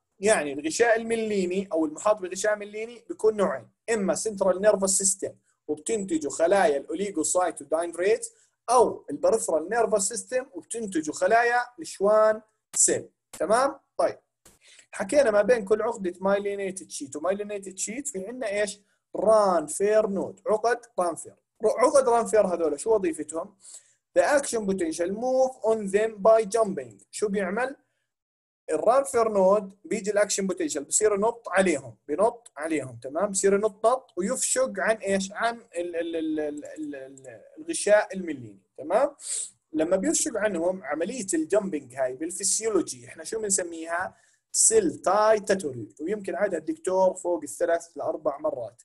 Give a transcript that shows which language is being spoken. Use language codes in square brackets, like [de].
[ar] يعني الغشاء المليني او المحاط بغشاء مليني بيكون نوعين، اما سنترال نيرفوس سيستم وبتنتج خلايا الاوليغوسايتو دايندريت، او البريفرال نيرفوس سيستم وبتنتج خلايا الشوان سيل تمام. طيب حكينا ما بين كل عقدة مايلينيتد شيت ومايلينيتد شيت في عندنا ايش؟ رانفير نود، عقد رانفير. عقد رانفير هذول شو وظيفتهم؟ [en] The action potential move on them by jumping. [ar] شو بيعمل؟ الرانفير نود بيجي الاكشن بوتنشال بصير ينط عليهم، بنط عليهم تمام، بصير ينط نط ويفشق عن ايش؟ عن الـ الـ الـ الـ الـ الـ الغشاء المليني تمام. لما بيفشق عنهم عملية الجامبينج هاي بالفسيولوجي احنا شو بنسميها؟ سيل تايتاتوري، ويمكن عادها الدكتور فوق الثلاث لاربع مرات.